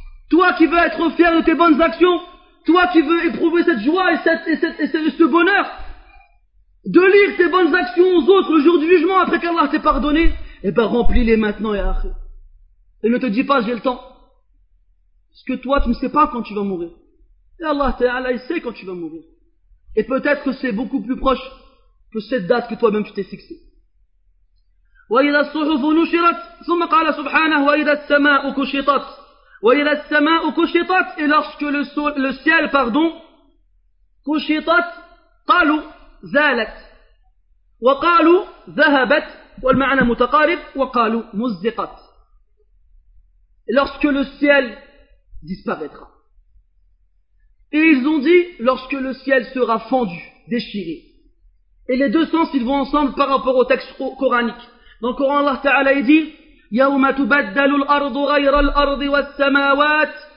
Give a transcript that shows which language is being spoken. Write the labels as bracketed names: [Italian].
[French] Toi qui veux être fier de tes bonnes actions, toi qui veux éprouver cette joie et ce bonheur de lire tes bonnes actions aux autres le jour du jugement après qu'Allah t'ait pardonné, eh ben remplis-les maintenant, ya akhi. Et ne te dis pas j'ai le temps. Parce que toi tu ne sais pas quand tu vas mourir. Et Allah ta'ala il sait quand tu vas mourir. Et peut-être que c'est beaucoup plus proche que cette date que toi-même tu t'es fixée. [Arabic] وإذا الصحف نشرت ثم قال سبحانه وإذا السماء كشطت وإذا السماء كشطت [French] et lorsque le ciel [Arabic] كشطت قالوا زالت وقالوا ذهبت والمعنى متقارب وقالوا مزقت. [French] Et lorsque le ciel disparaîtra. Et ils ont dit lorsque le ciel sera fendu, déchiré. Et les deux sens ils vont ensemble par rapport au texte coranique. Donc, au Coran, Allah Ta'ala, il dit, [Arabic] يَوْمَ تُبَدَّلُ الْأَرْضُ غَيْرَ الْأَرْضِ وَالسَّمَاوَاتِ.